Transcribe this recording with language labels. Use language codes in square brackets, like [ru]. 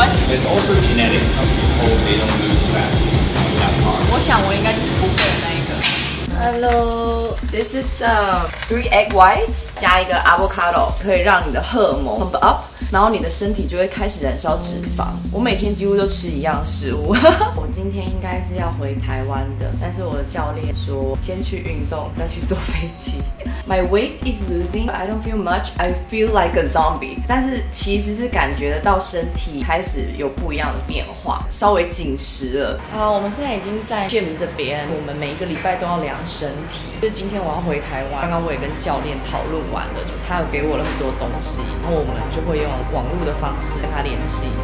[en] It's also genetic. Some people they don't lose fat on that part. [zh] 我想我应该就是不会的那一个。 [en] Hello, this is three egg whites [zh] 加一个 avocado 可以让你的荷尔蒙 pump up， 然后你的身体就会开始燃烧脂肪。我每天几乎都吃一样食物。我今天应该是要回台湾的，但是我的教练说先去运动，再去坐飞机。 [en] My weight is losing, but I don't feel much. I feel like a zombie. [zh] 但是其实是感觉得到身体开始有不一样的变化，稍微紧实了。好，我们现在已经在 gym 这边，我们每一个礼拜都要量身体。就是今天我要回台湾，刚刚我也跟教练讨论完了，他有给我了很多东西，然后我们就会用网络的方式跟他联系。